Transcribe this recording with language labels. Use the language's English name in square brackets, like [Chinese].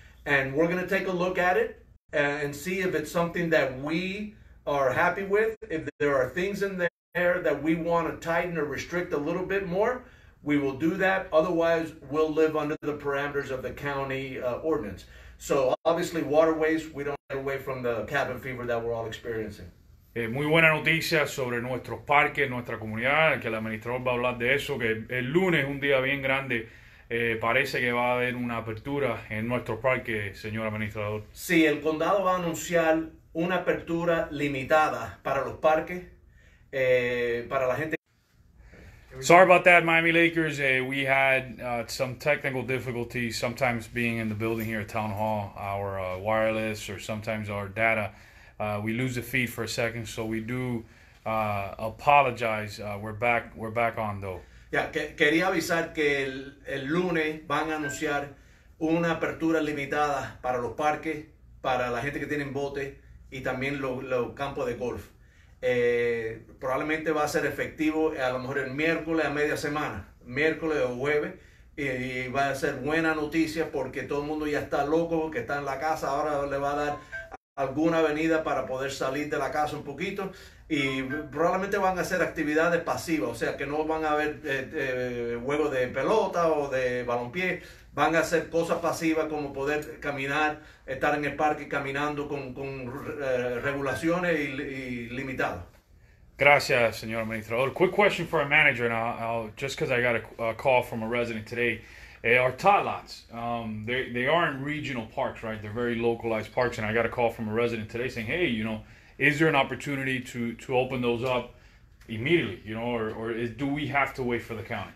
[English] And we're going to take a look at it and see if it's something that we are happy with. If there are things in there that we want to tighten or restrict a little bit more, we will do that. Otherwise, we'll live under the parameters of the county ordinance. So, obviously, waterways, we don't get away from the cabin fever that we're all experiencing. [Spanish] Muy buena noticia sobre nuestros parques, nuestra comunidad, que el administrador va a hablar de eso, que el lunes, un día bien grande, parece que va a haber una apertura en nuestros parques, señor administrador. Sí, el condado va a anunciar una apertura limitada para los parques, para la gente. [English] Sorry about that, Miami Lakers. We had some technical difficulties sometimes being in the building here at Town Hall. Our wireless or sometimes our data, we lose the feed for a second. So we do apologize. We're back on, though. [Spanish] Yeah, quería avisar que el lunes van a anunciar una apertura limitada para los parques, para la gente que tienen bote y también los campos de golf. Probablemente va a ser efectivo a lo mejor el miércoles a media semana, miércoles o jueves, y va a ser buena noticia porque todo el mundo ya está loco, que está en la casa, ahora le va a dar alguna avenida para poder salir de la casa un poquito, y probablemente van a hacer actividades pasivas, o sea que no van a haber juegos de pelota o de balompié, van a hacer cosas pasivas como poder caminar, estar en el parque caminando con regulaciones y limitado. Gracias, señor administrador. [English] Quick question for our manager, and I'll just because I got a call from a resident today. Our tot lots, they aren't regional parks, right? They're very localized parks, and I got a call from a resident today saying, hey, you know, is there an opportunity to open those up immediately, you know, or do we have to wait for the county?